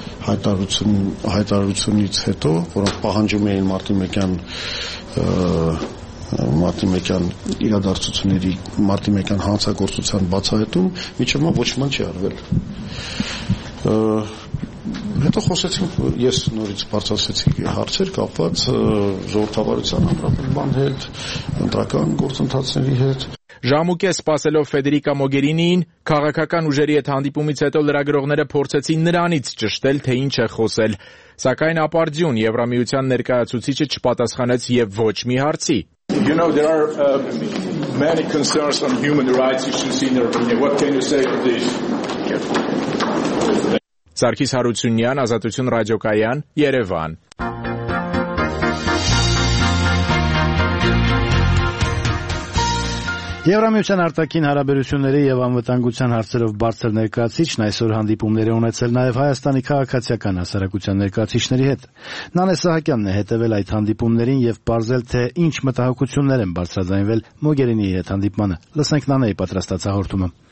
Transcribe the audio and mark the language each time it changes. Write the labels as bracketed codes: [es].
[hy] հայտարարությունից հետո, որոնք պահանջում էին Մարտի 1-ին հանցագործության բացահայտում, մինչև հիմա ոչ մի չի արվել։ Հետո խոսեցինք, ես նորից բարձրացեցի հարցեր կապված ժողովրդավարության ամբողջական հետ, ընտրական գործընթացների հետ։ Ժամուկե սպասելով Ֆեդերիկա Մոգերինին, քաղաքական ուժերի հետ հանդիպումից հետո լրագրողները փորձեցին նրանից ճշտել, թե ինչ է խոսել, սակայն ապարդյուն Եվրամիության ներկայացուցիչը չպատասխանեց եւ ոչ մի հարցի։ [en] You know, there are many concerns on human rights issues in Armenia. What can you say to this? [hy] Սարգիս Հարությունյան, Ազատություն ռադիոկայան, Երևան։ Եվրամիության արտաքին հարաբերությունների եւ անվտանգության հարցերով բարձր ներկայացիչն այսօր հանդիպումներ է ունեցել նաեւ Հայաստանի քաղաքացիական հասարակության ներկայացիչների հետ։ Նանե Սահակյանն է հետևել այդ հանդիպումներին եւ պարզել, թե ինչ մտահոգություններ են բարձրաձայնվել Մոգերինիի հետ հանդիպմանը։ Լսենք Նանեի պատրաստած հաղորդումը։